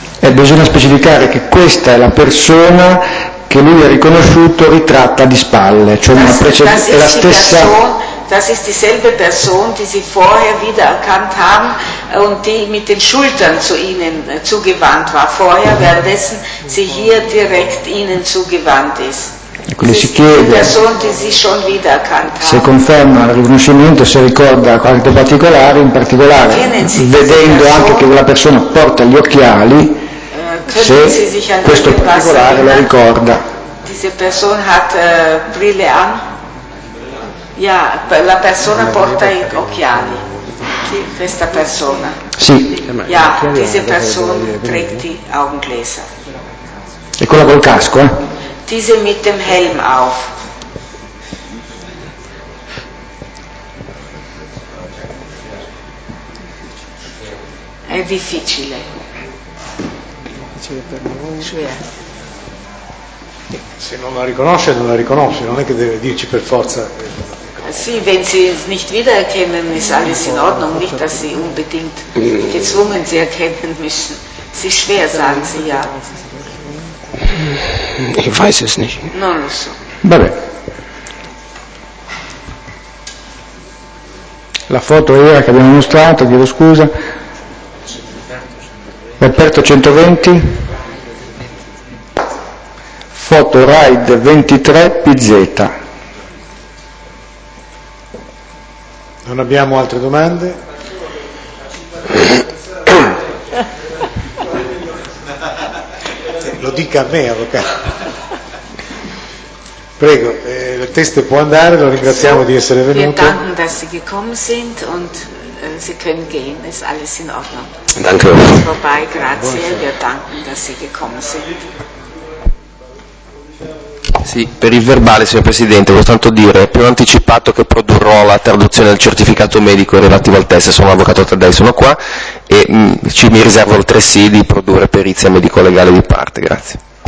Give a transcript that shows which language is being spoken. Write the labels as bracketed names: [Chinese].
[Italian] Bisogna specificare che questa è la persona che lui ha riconosciuto ritratta di spalle, cioè [German] das, [Italian] una precedente, la stessa. [German] Das ist dieselbe Person, die Sie vorher wiedererkannt haben und die mit den Schultern zu Ihnen zugewandt war. Vorher, währenddessen sie hier direkt Ihnen zugewandt ist. [Italian] Quindi si chiede, [German] die Person, die Sie schon wiedererkannt haben. [Italian] Se conferma il riconoscimento, se ricorda qualche particolare, in particolare vedendo [German] Person, [Italian] anche che quella persona porta gli occhiali, se questo particolare lo ricorda. [German] Diese Person hat Brille an. Ja, [Italian] la persona porta gli occhiali. Chi? Questa persona. Sì. [German] Ja, diese Person trägt die Augengläser. [Italian] E quella col casco, eh? [German] Diese mit dem Helm auf. [Italian] È difficile. [German] Schwer. [Italian] Se non la riconosce, non la riconosce, non è che deve dirci per forza. Sì, [German] wenn Sie es nicht wiedererkennen, ist alles in Ordnung, nicht, dass Sie unbedingt gezwungen Sie erkennen müssen. Es ist schwer, sagen Sie ja. Ich weiß es nicht. [Italian] Non lo so. Vabbè. La foto era che abbiamo mostrato, chiedo scusa. Reperto 120. Foto ride 23 PZ. Non abbiamo altre domande? Lo dica a me, avvocato. Prego, il test può andare, lo ringraziamo di essere venuto. [German] Wir danken, dass Sie gekommen sind und Sie können gehen, ist alles in Ordnung. Danke. Vorbei, [Italian] grazie, [German] wir danken, dass Sie gekommen sind. [Italian] Sì, per il verbale, signor Presidente, vuol tanto dire, più anticipato che produrrò la traduzione del certificato medico relativo al test, sono l'avvocato Taddei, sono qua, e mi riservo altresì di produrre perizia medico-legale di parte, grazie.